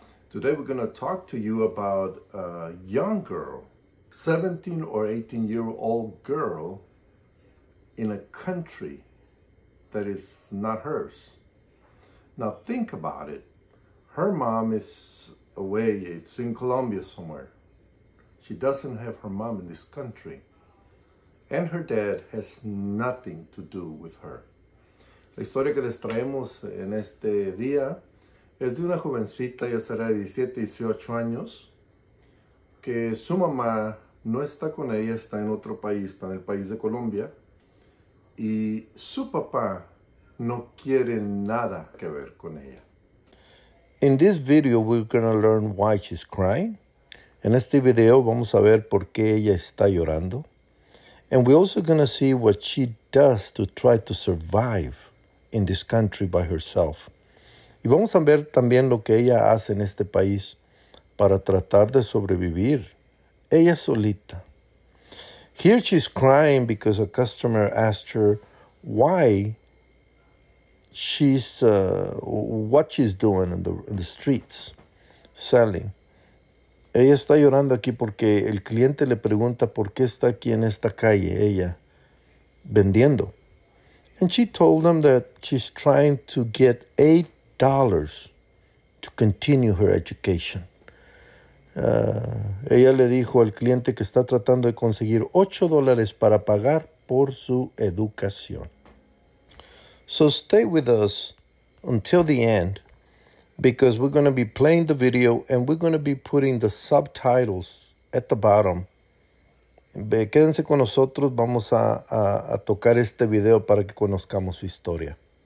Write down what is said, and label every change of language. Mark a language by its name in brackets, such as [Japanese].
[English] Today, we're going to talk to you about a young girl, 17 or 18-year-old girl, in a country that is not hers. Now, think about it. Her mom is away, it's in Colombia somewhere. She doesn't have her mom in this country. And her dad has nothing to do with her. [Spanish] La historia que les traemos en este día es de una jovencita, ya será de 17, 18 años, que su mamá no está con ella, está en otro país, está en el país de Colombia, y su papá no quiere nada que ver con ella. [English] In this video, we're going to learn why she's crying. [Spanish] En este video, vamos a ver por qué ella está llorando. [English] And we're also going to see what she does to try to survive in this country by herself. [Spanish] Y vamos a ver también lo que ella hace en este país para tratar de sobrevivir. Ella solita. [English] Here she's crying because a customer asked her why she's what she's doing in the streets selling. [Spanish] Ella está llorando aquí porque el cliente le pregunta por qué está aquí en esta calle ella vendiendo. [English] And she told them that she's trying to get $8 to continue her education. [Spanish] Ella le dijo al cliente que está tratando de conseguir $8 para pagar por su educación. [English] So stay with us until the end, because we're going to be playing the video and we're going to be putting the subtitles at the bottom. [Spanish] Quédense con nosotros, vamos a tocar este video para que conozcamos su historia.